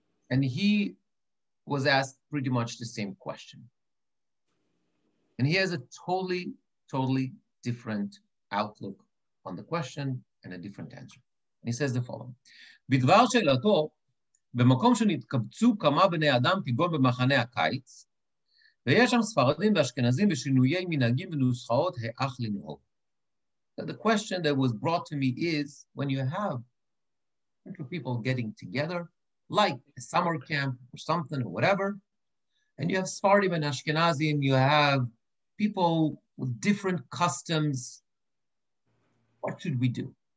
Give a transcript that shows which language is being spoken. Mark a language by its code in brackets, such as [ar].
[en] And he was asked pretty much the same question. And he has a totally, totally different outlook on the question and a different answer. And he says the following. [he] בדבר שאלתו, במקום שנתקבצו כמה בני אדם כגון במחנה הקיץ, ויש שם ספרדים ואשכנזים ושינויי מנהגים ונוסחאות האח לנהוג. [en] The question that was brought to me is, when you have people getting together, like a summer camp or something or whatever, and you have Sephardim and Ashkenazim, you have people with different customs, what should we do?